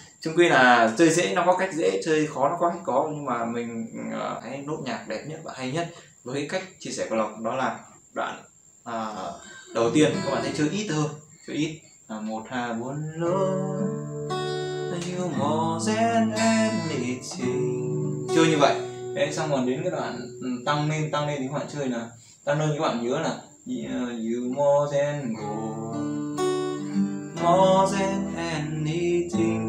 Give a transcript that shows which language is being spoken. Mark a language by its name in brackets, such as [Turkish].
[Vietnamese] Chung quy là chơi dễ nó có cách dễ, chơi khó nó có cách khó, nhưng mà mình thấy nốt nhạc đẹp nhất và hay nhất với cái cách chia sẻ của Lộc đó là đoạn đầu tiên các bạn thấy chơi ít thôi, chơi ít [English] 1 2 4 low you more than anything. [Vietnamese] Chơi như vậy. Đấy, xong rồi đến cái đoạn tăng lên thì các bạn chơi là tăng lên, các bạn nhớ là [English] you more than gold, more than anything.